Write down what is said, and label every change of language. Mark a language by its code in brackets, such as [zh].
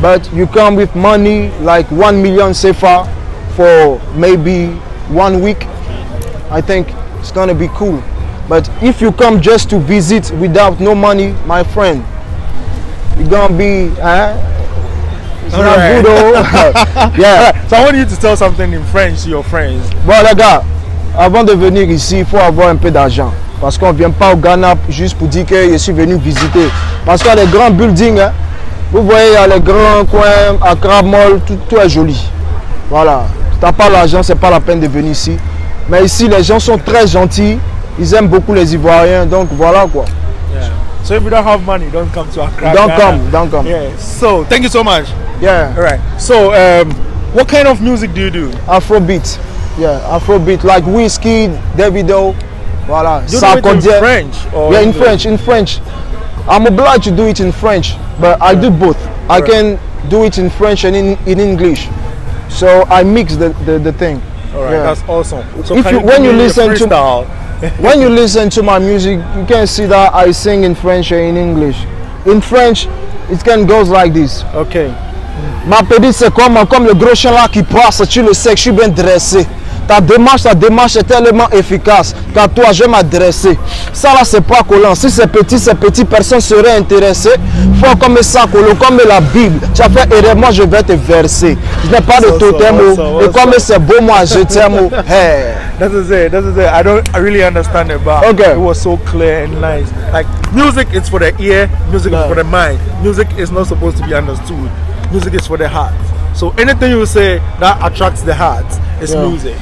[en] But you come with money, like 1 million so far, for maybe 1 week, I think it's gonna be cool. But if you come just to visit without no money, my friend, you're gonna be, it's all not good, right? Yeah. So I want you to tell something in French to your friends. [fr] Bon, les gars, avant de venir ici, il faut avoir un peu d'argent. Parce qu'on vient pas au Ghana juste pour dire que je suis venu visiter. Parce qu'il y a les grands buildings, vous voyez, il y a les grands coins, à Crab Mall, tout est joli. Voilà. T'as pas l'argent, c'est pas la peine de venir ici. Mais ici, les gens sont très gentils. Ils aiment beaucoup les Ivoiriens. Donc voilà quoi. [en] Yeah. So if you don't have money, don't come to Accra. Don't come. Yeah. So thank you so much. Yeah. All right. So what kind of music do you do? Afrobeat. Yeah. Afrobeat, like Whiskey, Davido. Voilà. Do you do it in French? Or yeah, in French. I'm obliged to do it in French, but I do both. Right. I can do it in French and in English. So I mix the thing. All right, that's awesome. So if when you listen to my music, you can see that I sing in French and in English. In French, it can goes like this. Okay. [fr] Ma petite, c'est comme le gros chien là qui passe, tu le sais que je suis bien dressé. Ta démarche est tellement efficace. Quand toi, je m'adresse. Ça là, c'est pas collant. Si c'est petit, personne serait intéressé. Faut comme ça, colo, comme la Bible. Tu as fait erreur, moi je vais te verser. Je n'ai pas de totem. Et comme c'est beau, moi je t'aime. Hey. [en] That's it. I don't really understand it, but it was so clear and nice. Like, music is for the ear, music is for the mind. Music is not supposed to be understood. Music is for the heart. So anything you say that attracts the heart is music.